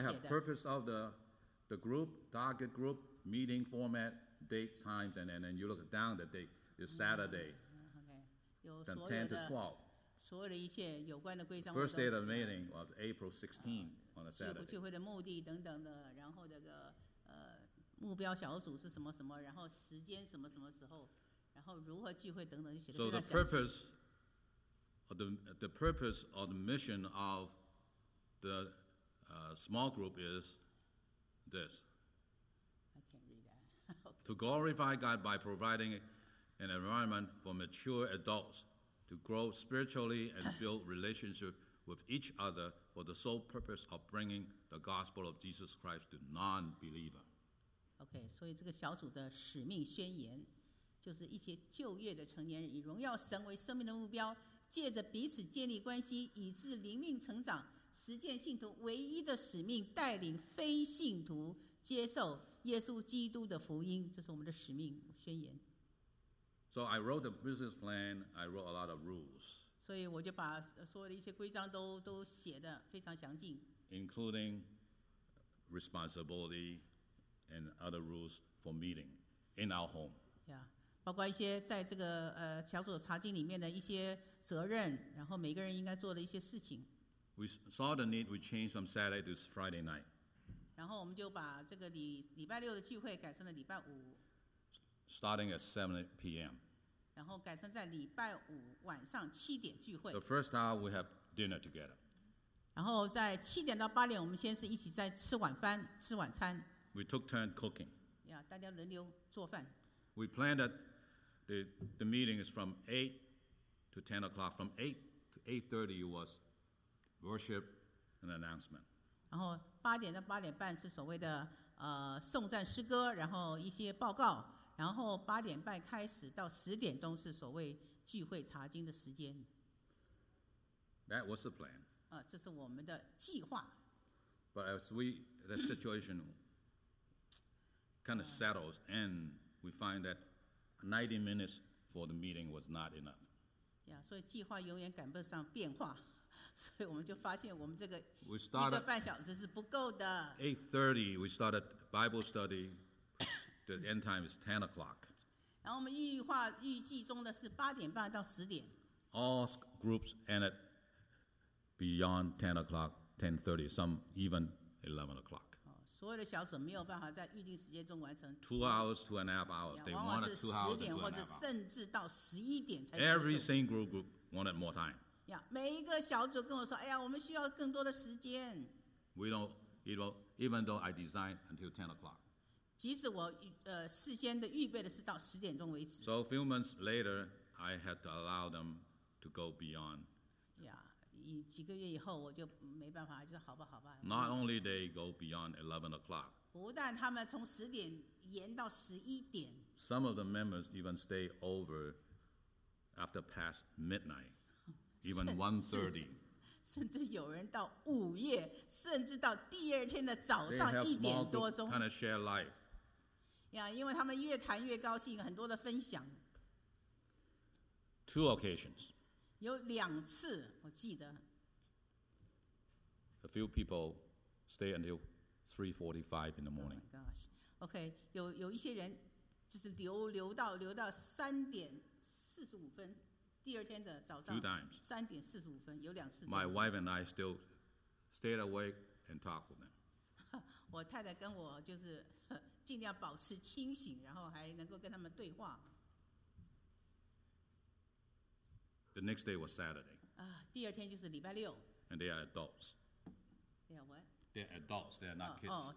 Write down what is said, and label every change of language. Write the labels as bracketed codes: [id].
[en] have purpose of the group, target group, meeting format, date, times, and then you look down the date. It's Saturday. Okay. From 10 to 12. [zh] 所有的一切有关的规章。 [en] First day of meeting was April 16 on a Saturday. [zh] 聚会的目的等等的，然后这个目标小组是什么什么，然后时间什么什么时候，然后如何聚会等等，就写得非常详细。 [en] So the purpose or the mission of the small group is this. I can't read that. To glorify God by providing an environment for mature adults to grow spiritually and build relationship with each other for the sole purpose of bringing the gospel of Jesus Christ to non-believer. [zh] OK, 所以这个小组的使命宣言就是一些就业的成年人以荣耀神为生命的目标，借着彼此建立关系以致灵命成长，实践信徒唯一的使命，带领非信徒接受耶稣基督的福音，这是我们的使命宣言。 [en] So I wrote the business plan, I wrote a lot of rules. [zh] 所以我就把所有的一些规章都写得非常详尽， [en] including responsibility,and other rules for meeting in our home. [zh] Yeah, 包括一些在这个小组查经里面的一些责任，然后每个人应该做的一些事情。 [en] We saw the need. We changed from Saturday to Friday night. [zh] 然后我们就把这个礼拜六的聚会改成了礼拜五。 [en] Starting at 7 p.m. [zh] 然后改成在礼拜五晚上七点聚会。 [en] The first hour we have dinner together. [zh] 然后在七点到八点，我们先是一起在吃晚餐。 [en] We took turn cooking. [zh] Yeah, 大家轮流做饭。 [en] We planned that the meeting is from 8 to 10 o'clock. From 8 to 8:30 was worship and announcement. [zh] 然后8点到8点半是所谓的颂赞诗歌，然后一些报告，然后八点半开始到十点钟是所谓聚会查经的时间。 [en] That was the plan. [zh] 这是我们的计划。 [en] But as the situation kind of settles, and we find that 90 minutes for the meeting was not enough. [zh] Yeah, 所以计划永远赶不上变化，所以我们就发现我们这个一个半小时是不够的。 [en] 8:30, we started Bible study. The end time is 10 o'clock. [zh] 然后我们预计中的是八点半到十点。 [en] All groups ended beyond 10 o'clock, 10:30, some even 11 o'clock. [zh] 所有的小组没有办法在预定时间中完成。 [en] Two hours, two and a half hours. They wanted 2 hours, [zh] 十点或者甚至到十一点才结束。 [en] Every single group wanted more time. [zh] 每一个小组跟我说，哎呀，我们需要更多的时间。 [en] We don't, even though I designed until 10 o'clock. [zh] 即使我事先的预备的是到十点钟为止。 [en] So a few months later, I had to allow them to go beyond. [zh] Yeah, 几个月以后我就没办法，就说好吧，好吧。 [en] Not only they go beyond 11 o'clock. [zh] 不但他们从十点延到十一点。 [en] Some of the members even stay over after past midnight, even 1:30. [zh] 甚至有人到午夜，甚至到第二天的早上一点多钟。 [en] Kind of share life. [zh] Yeah, 因为他们越谈越高兴，很多的分享。 [en] Two occasions. [zh] 有两次，我记得。 [en] A few people stay until 3:45 in the morning. Oh my gosh. [zh] Okay, 有一些人就是留到三点四十五分。第二天的早上三点四十五分有两次。 [en] My wife and I still stayed awake and talked with them. [zh] 我太太跟我就是尽量保持清醒，然后还能够跟他们对话。 [en] The next day was Saturday. [zh] 第二天就是礼拜六。 [en] And they are adults. They are what? They're adults. They are not kids.